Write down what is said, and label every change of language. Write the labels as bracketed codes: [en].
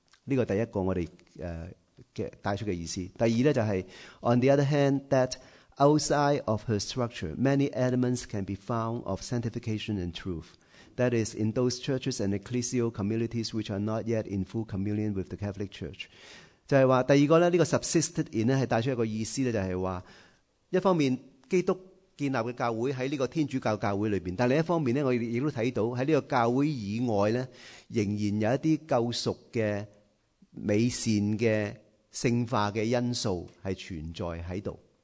[zh] 这个第一个我们带出的意思。第二呢就是 [en] on the other hand, that outside of her structure, many elements can be found of sanctification and truth. that is in those churches and ecclesial communities which are not yet in full communion with the Catholic Church. [zh] 就是说第二个呢，这个 subsisted in 是带出一个意思，就是说一方面基督建立的教会在这个天主教教会里面，但另一方面呢，我也都看到在这个教会以外呢，仍然有一些救赎的美善的圣化的因素是存在在这里，